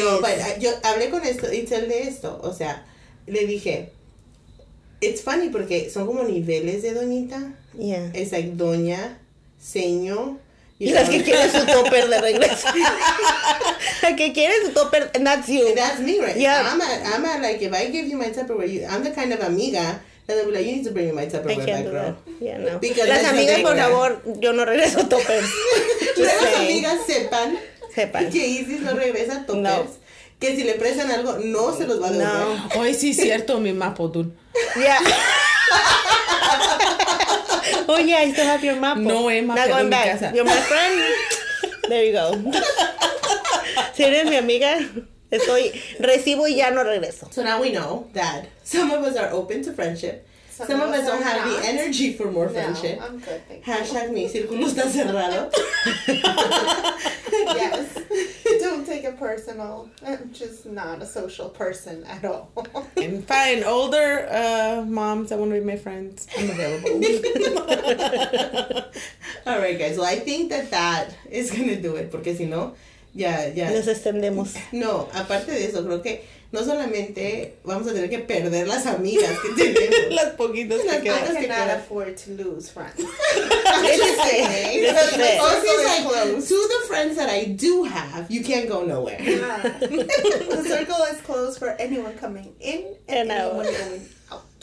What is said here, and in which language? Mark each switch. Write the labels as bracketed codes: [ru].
[en] No, but [es] yo hablé con esto, y tell de esto. O sea, le dije, [en] it's funny [es] porque son como niveles de doñita. [en] Yeah. It's like doña, seño. [es] Y las que quieren su topper de regreso. La que quiere su topper, [en] and that's you. And that's me, right? Yeah. I'm a, like, if I give you my Tupperware, I'm the kind of amiga that I'll be like, you need to bring me my Tupperware back, girl. Yeah, no. [es] Las amigas, por favor, yo no regreso topper. Las amigas sepan que Isis no regresa toppers. No. Que si le prestan algo, no se los va a devolver. No. Hoy sí es cierto, mi mapo, tú. [en] Yeah. Oh yeah, I still have your map. No, Emma, not going back. You're my friend. There you go. [es] Si eres mi amiga, estoy recibo y ya no regreso. [en] So now we know that some of us are open to friendship. Some of us don't have the energy for more friendship. No, I'm good. Thank [es] you. [en] Hashtag me. [es] Círculo está cerrado. [en] Yes. Don't take it personal. I'm just not a social person at all. And fine. Older moms that want to be my friends, I'm available. All right, guys. Well, I think that is going to do it. [es] Porque si no, ya. Nos extendemos. No, aparte de eso, creo que no solamente vamos a tener que perder las amigas que tenemos. Las poquitas que quedan. [en] I cannot afford to lose friends. It's the same. Ossie's like, close. To the friends that I do have, you can't go nowhere. Yeah. The circle is closed for anyone coming in and anyone going out.